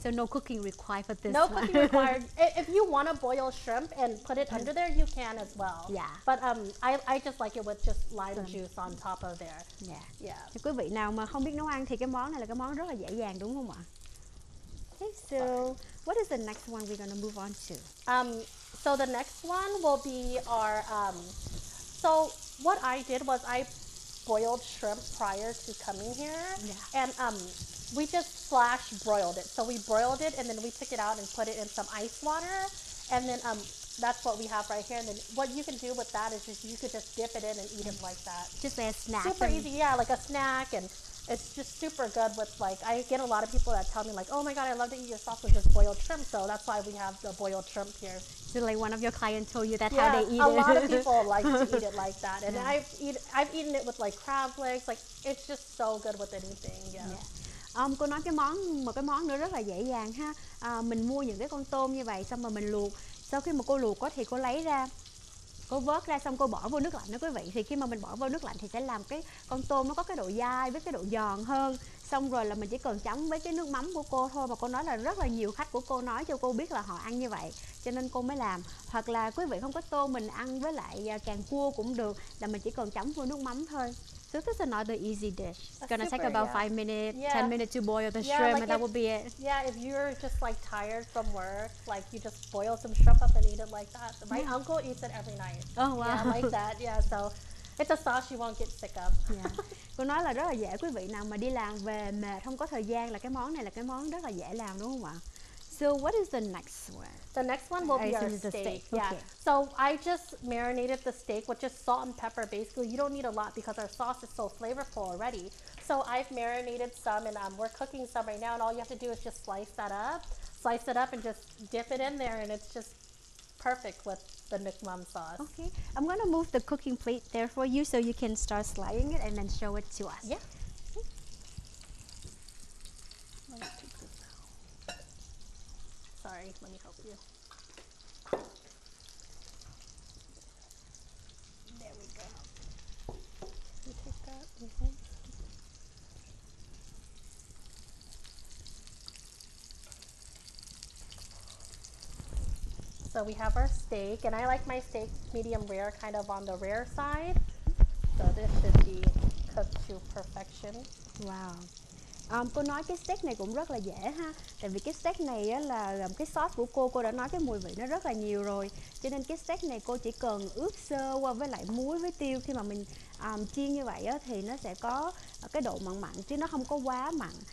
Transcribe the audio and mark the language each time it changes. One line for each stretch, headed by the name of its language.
English: So no cooking required for this. No cooking required. If you want to boil shrimp and put it under there, you can as well. Yeah. But I just like it with just lime juice on top of there. Yeah.
Vietnamese: Yeah. Quý vị nào mà không biết nấu ăn thì cái món này là cái món rất là dễ dàng, đúng không ạ?
English: Okay, so what is the next one we're gonna move on to? So the next one will be our, so what I did was I boiled shrimp prior to coming here. Yeah. And we just flash broiled it. So we broiled it and then we took it out and put it in some ice water. And then that's what we have right here. And then what you can do with that is just, you could just dip it in and eat it like that. Just like a snack. Super easy, yeah, like a snack. And it's just super good with, like, I get a lot of people that tell me, like, oh my God, I love to eat your sauce with just boiled shrimp. So that's why we have the boiled shrimp here. So like one of your clients told you that, yeah, how they eat a it. A lot of people like to eat it like that. And I've eaten it with like crab legs. Like, it's just so good with anything, yeah.
Vietnamese: Cô nói cái món, một cái món nữa rất là dễ dàng ha. Mình mua những cái con tôm như vậy xong rồi mình luộc. Sau khi mà cô luộc có thì cô lấy ra, cô vớt ra xong cô bỏ vô nước lạnh đó quý vị. Thì khi mà mình bỏ vô nước lạnh thì sẽ làm cái con tôm nó có cái độ dai với cái độ giòn hơn. Xong rồi là mình chỉ cần chấm với cái nước mắm của cô thôi. Mà cô nói là rất là nhiều khách của cô nói cho cô biết là họ ăn như vậy, cho nên cô mới làm. Hoặc là quý vị không có tôm, mình ăn với lại càng cua cũng được, là mình chỉ cần chấm vô nước mắm thôi.
English: So this is another easy dish. It's gonna take about 5 minutes, 10 minutes to boil the shrimp, like, and that will be it. Yeah, if you're just like tired from work, like you just boil some shrimp up and eat it like that. My uncle eats it every night. Oh wow. Yeah, like that. Yeah, so it's a sauce you won't get sick of.
Vietnamese: Yeah. Cô nói là rất là dễ, quý vị nào mà đi làm về mệt không có thời gian là cái món này là cái món rất là dễ làm đúng không ạ?
English: So what is the next one? The next one will be our steak. Okay. Yeah. So I just marinated the steak with just salt and pepper. Basically, you don't need a lot because our sauce is so flavorful already. So I've marinated some and we're cooking some right now, and all you have to do is just slice it up and just dip it in there, and it's just perfect with the nukmam sauce. Okay. I'm going to move the cooking plate there for you so you can start slicing it and then show it to us. Yeah. Let me help you. There we go. Can you take that? Mm-hmm. So we have our steak, and I like my steak medium rare, kind of on the rare side. So this should be cooked to perfection. Wow.
Vietnamese: Cô nói cái steak này cũng rất là dễ ha. Tại vì cái steak này á, là cái sauce của cô đã nói cái mùi vị nó rất là nhiều rồi. Cho nên cái steak này cô chỉ cần ướp sơ qua với lại muối với tiêu. Khi mà mình chiên như vậy á, thì nó sẽ có cái độ mặn mặn chứ nó không có quá mặn.